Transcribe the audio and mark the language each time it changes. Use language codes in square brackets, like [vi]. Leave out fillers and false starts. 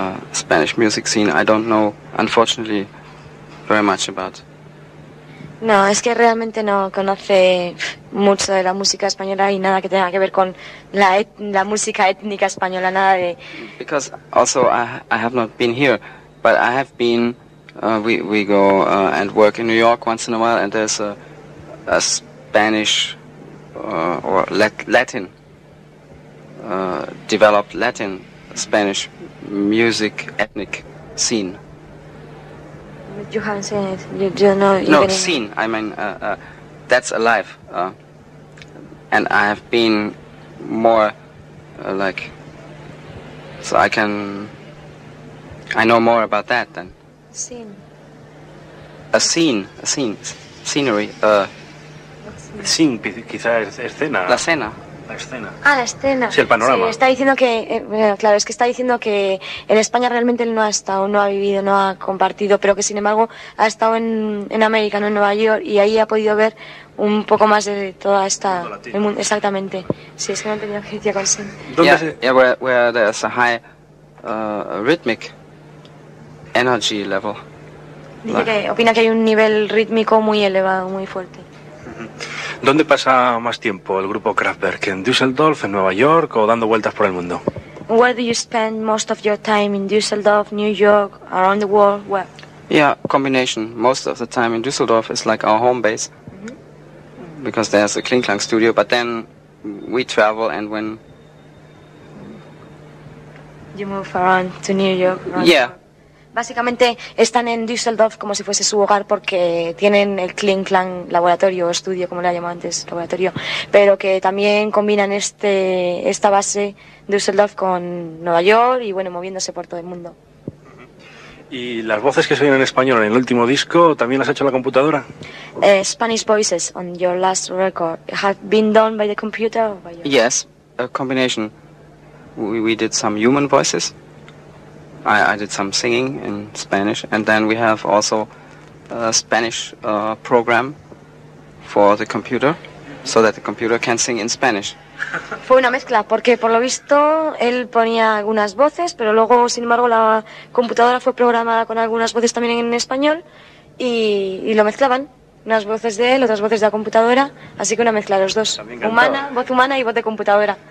[en] Spanish music scene, I don't know, unfortunately, very much about. [es] No, es que realmente no conoce mucho de la música española y nada que tenga que ver con la música étnica española, nada de... [en] Because also I have not been here, but I have been, we go and work in New York once in a while, and there's a Spanish or Latin, developed Latin Spanish music ethnic scene. But you haven't seen it. You don't know. No scene. I mean, that's alive. And I have been more like, so I can. I know more about that than. Scene. A scene. Scenery. [es] Scene. Quizá escena. La escena. La escena. Ah, la escena. Sí, el panorama. Sí, está diciendo que, claro, es que está diciendo que en España realmente él no ha estado, no ha vivido, no ha compartido, pero que sin embargo ha estado en América, ¿no? En Nueva York, y ahí ha podido ver un poco más de toda esta... El mundo, exactamente. Sí, es que no he tenido agencia con sí. [en] Yeah, where there's a high rhythmic energy level. [es] Dice que opina que hay un nivel rítmico muy elevado, muy fuerte. ¿Dónde pasa más tiempo el grupo Kraftwerk? ¿En Düsseldorf, en Nueva York o dando vueltas por el mundo? [en] Where do you spend most of your time? In Düsseldorf, New York, around the world? Where? Yeah, combination. Most of the time in Düsseldorf is like our home base. Because there's a Kling Klang studio, but then we travel and when... You move around to New York? Right? Yeah. [es] Básicamente están en Düsseldorf como si fuese su hogar porque tienen el Kling Klang laboratorio o estudio, como le ha llamado antes, laboratorio, pero que también combinan esta base Düsseldorf con Nueva York y bueno, moviéndose por todo el mundo. ¿Y las voces que se oyen en español en el último disco también las ha hecho la computadora? [en] Spanish voices on your last record have been done by the computer or by yours? Yes, a combination. We did some human voices. I did some singing in Spanish, and then we have also a Spanish program for the computer, so that the computer can sing in Spanish. [es] Fue una mezcla, porque por lo visto él ponía algunas voces, pero luego, sin embargo, la computadora fue programada con algunas voces también en español, y lo mezclaban, unas voces de él, otras voces de la computadora, así que una mezcla de los dos, humana, voz humana y voz de computadora.